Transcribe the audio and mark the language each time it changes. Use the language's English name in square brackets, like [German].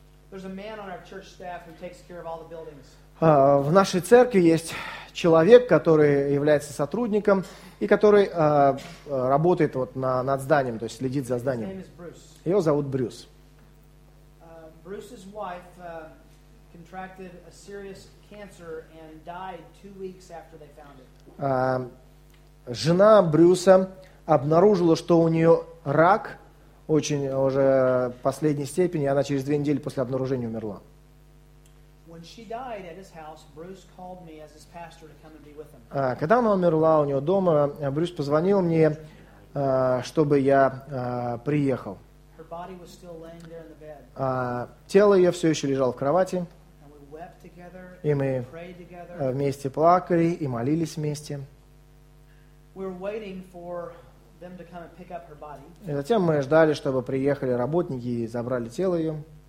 [Russian] В нашей церкви есть человек, который является сотрудником и который работает вот над зданием, то есть следит за зданием. Его зовут Брюс. [English] Bruce's wife contracted a serious cancer and died 2 weeks after they found it. [Russian] Жена Брюса обнаружила, что у нее рак очень уже последней степени, и она через 2 недели после обнаружения умерла. [English] When she died at his house, Bruce called me as his pastor to come and be with him. [Russian] Когда она умерла у него дома, Брюс позвонил мне, чтобы я приехал. [English] Her body was still laying there in the bed. [Russian] Тело ее все еще лежало в кровати. [English] And we wept together, [Russian] и мы вместе плакали и молились вместе. [English] We were waiting for them to come and pick up her body. [Russian] И затем мы ждали, чтобы приехали работники и забрали тело ее.